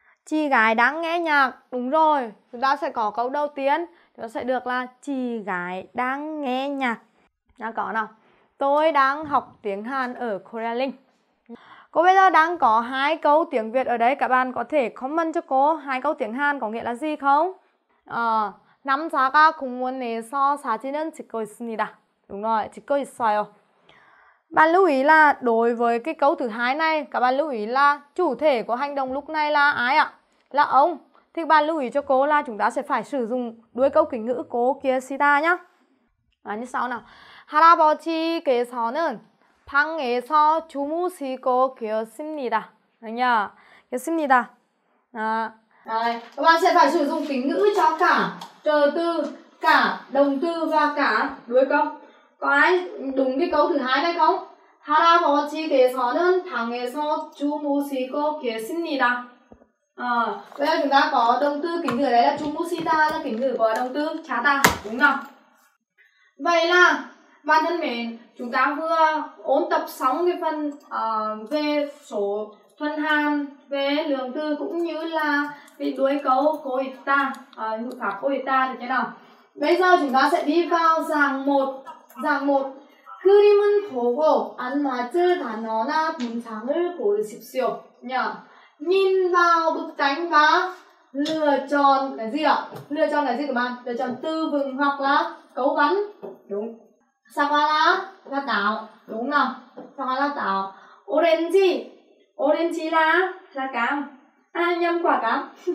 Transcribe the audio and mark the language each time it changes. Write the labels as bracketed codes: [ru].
[vi] Chị gái đang nghe nhạc, đúng rồi, chúng ta sẽ có câu đầu tiên, nó sẽ được là chị gái đang nghe nhạc. Đang có nào, tôi đang học tiếng Hàn ở Korealink. Cô bây giờ đang có hai câu tiếng Việt ở đây, các bạn có thể comment cho cô hai câu tiếng Hàn có nghĩa là gì không? [ko] À, 남자가 공원에서 사진을 찍고 있습니다. [vi] Đúng rồi, [ko] 찍고 있어요. [vi] Bạn lưu ý là đối với cái câu thứ hai này, các bạn lưu ý là chủ thể của hành động lúc này là ai ạ? Là ông. Thì bạn lưu ý cho cô là chúng ta sẽ phải sử dụng đuôi câu kính ngữ cô kia sita nhá. À, như sau nào. [ko] 할아버지께서는 방에서 주무시고 계십니다. 아니야. 계십니다. 아. [vi] Đấy, các bạn sẽ phải sử dụng kính ngữ cho cả chờ từ, cả động từ và cả đuôi câu. Có ai đúng cái câu thứ hai này không? [ko] 할아버지께서는 방에서 주무시고 계십니다. [vi] À, bây giờ chúng ta có động từ kính ngữ đấy là 주무시다, là kính ngữ của động từ 자다, đúng không? Vậy là bạn thân mến, chúng ta vừa ôn tập xong cái phần về số thuần Hàn, về lượng từ cũng như là cái đuôi câu cô ý ta, ngữ pháp cô ý ta thì thế nào. Bây giờ chúng ta sẽ đi vào dạng 1. Dạng 1. [ko] 그림은 보고 안 맞을 단어나 문장을 고르십시오. [vi] Nhìn vào bức tranh và lựa chọn cái gì ạ? Lựa chọn cái gì các bạn? Lựa chọn từ vựng hoặc là cấu vấn. Đúng. Sao qua là táo. Đúng không? Sao qua là táo. Orange. Orange là cam. À, nhầm quả cam.